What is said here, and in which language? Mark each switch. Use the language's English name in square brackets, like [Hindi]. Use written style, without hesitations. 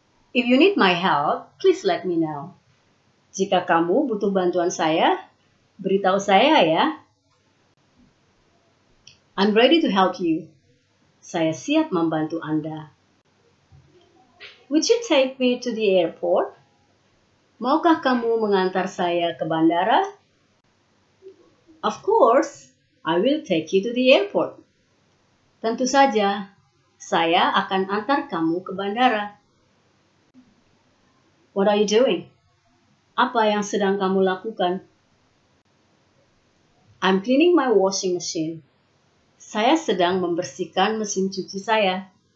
[English] If you need my help, please let me know. [Indonesian] Jika kamu butuh bantuan saya, beritahu saya ya. [English] I'm ready to help you. [Indonesian] Saya siap membantu Anda. [English] Would you take me to the airport? [Indonesian] Maukah kamu mengantar saya ke bandara? [English] Of course, I will take you to the airport. [Indonesian] Tentu saja, saya akan antar kamu ke bandara. [English] What are you doing? [Indonesian] Apa yang sedang kamu lakukan? [English] I'm cleaning my washing machine. [Indonesian] Saya sedang membersihkan mesin cuci saya.